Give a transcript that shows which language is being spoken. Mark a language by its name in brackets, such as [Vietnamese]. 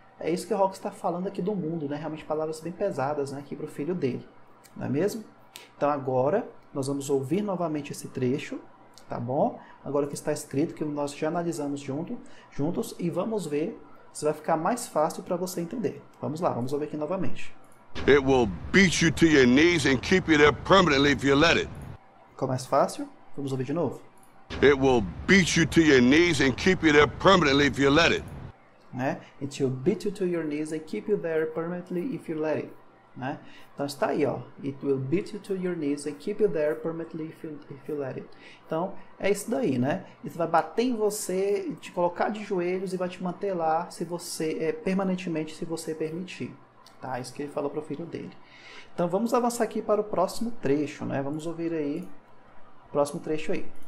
[Portuguese] É isso que o Rock está falando aqui do mundo, né? Realmente palavras bem pesadas, né, aqui para o filho dele. Não é mesmo? Então agora nós vamos ouvir novamente esse trecho, tá bom? Agora que está escrito, que nós já analisamos juntos, e vamos ver se vai ficar mais fácil para você entender. Vamos lá, vamos ouvir aqui novamente. [English] It will beat you to your knees and keep you there permanently if you let it. [Portuguese] Ficou mais fácil? Vamos ouvir de novo. [English] It will beat you to your knees and keep you there permanently if you let it. Né? It will beat you to your knees and keep you there permanently if you let it. né? [Portuguese] Então está aí, ó. [English] It will beat you to your knees and keep you there permanently if you let it. [Portuguese] Então é isso daí, né? Isso vai bater em você, te colocar de joelhos e vai te manter lá se você permanentemente, se você permitir. Tá? Isso que ele falou para o filho dele. Então vamos avançar aqui para o próximo trecho, né? Vamos ouvir aí o próximo trecho aí.